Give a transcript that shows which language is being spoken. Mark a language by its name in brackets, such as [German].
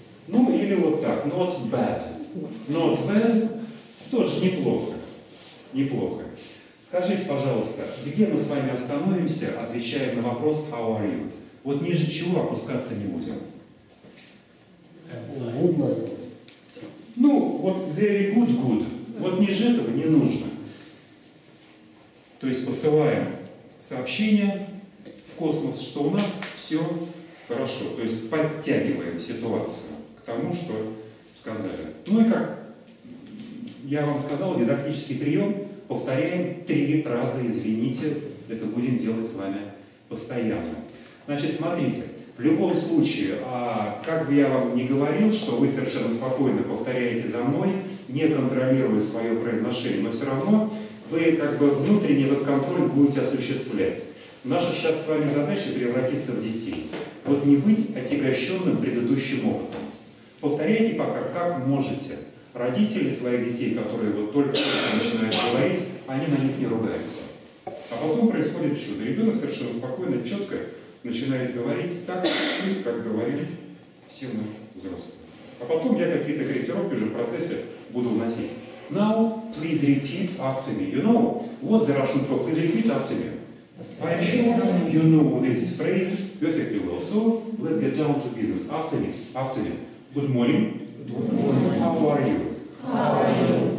[Russian] Ну или вот так, [English] not bad. Not bad [Russian] тоже неплохо. Неплохо. Скажите, пожалуйста, где мы с вами остановимся, отвечая на вопрос [English] how are you? [Russian] Вот ниже чего опускаться не будем? [English] Good, good. [Russian] Ну, вот [English] very good, good. [Russian] Вот ниже этого не нужно. То есть посылаем сообщение в космос, что у нас все хорошо. То есть подтягиваем ситуацию к тому, что сказали. Ну и как? Я вам сказал, дидактический прием, повторяем 3 раза, извините, это будем делать с вами постоянно. Значит, смотрите, в любом случае, как бы я вам ни говорил, что вы совершенно спокойно повторяете за мной, не контролируя свое произношение, но все равно вы как бы внутренний этот контроль будете осуществлять. Наша сейчас с вами задача превратиться в детей. Вот не быть отягощенным предыдущим опытом. Повторяйте пока как можете. Родители своих детей, которые вот только начинают говорить, они на них не ругаются. А потом происходит чудо. Ребенок совершенно спокойно, четко начинает говорить так, как говорили все мы взрослые. А потом я какие-то корректировки уже в процессе буду вносить. [English] Now, please repeat after me. You know, what's the Russian for? Please repeat after me. I'm sure you know this phrase perfectly well. So, let's get down to business. After me. After me. Good morning. Good morning. How are you? How are you?